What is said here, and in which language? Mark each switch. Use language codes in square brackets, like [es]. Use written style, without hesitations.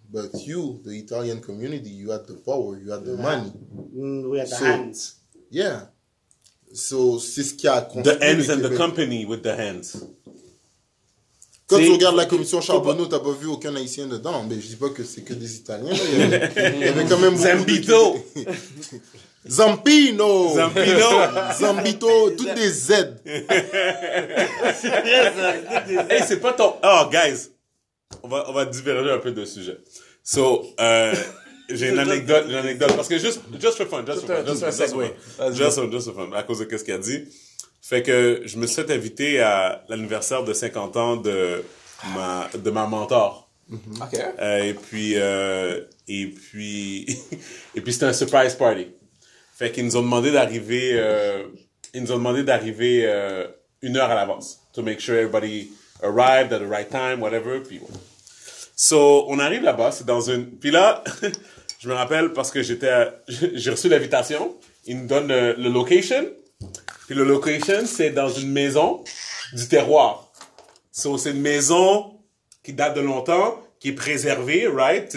[en] But you, the Italian community, you had the power, you had the money. We had the hands. [fr] Yeah. So, c'est ce qui a construit. [en] The hands and the company with the hands. [fr] Quand tu regardes la commission Charbonneau, t'as pas vu aucun Haïtien dedans. Mais je dis pas que c'est que des Italiens. Il y avait quand même beaucoup Zambito. De... Zampino, Zambito, toutes des Z. C'est vrai, hey, c'est pas ton. Oh, guys, on va diverger un peu de sujet. So, j'ai une anecdote parce que [en] just for fun, [fr] à cause de qu'est-ce qu'il a dit, fait que je me suis invité à l'anniversaire de 50 ans de ma mentor. Et puis c'était un surprise party. Fait qu'ils nous ont demandé d'arriver, une heure à l'avance. [en] To make sure everybody arrived at the right time, whatever. [fr] So, on arrive là-bas, c'est dans une... Puis là, je me rappelle parce que j'ai reçu l'invitation. Ils nous donnent le location. Puis le location, c'est dans une maison du terroir. So, c'est une maison qui date de longtemps, qui est préservée, right?